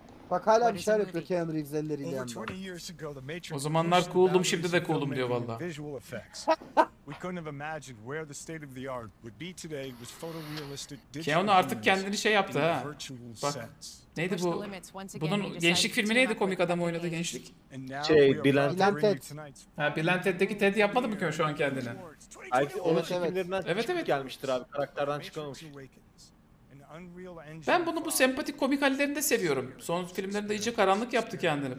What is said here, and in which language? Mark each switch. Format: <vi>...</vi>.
<tr>Bak hala bir şeyler yapıyor Keanu Reeves elleriyle yanında. O zamanlar cool'dum, şimdi de cool'dum diyor vallahi.</tr> <en>We couldn't have imagined where the state of the art would be today with photorealistic digital.</en> <tr>Keanu artık kendini şey yaptı ha. Bak. Neydi bu? Bunun gençlik filmi neydi, komik adam oynadı gençlik? Şey, Bill and Ted. Ha, Bill and Ted'deki Ted yapmadı mı ki şu an kendini? Ay, onun çekimlerinden evet. gelmiştir abi, karakterden çıkamamış. Ben bunu bu sempatik komik hallerinde seviyorum. Son filmlerinde iyice karanlık yaptı kendini.</tr>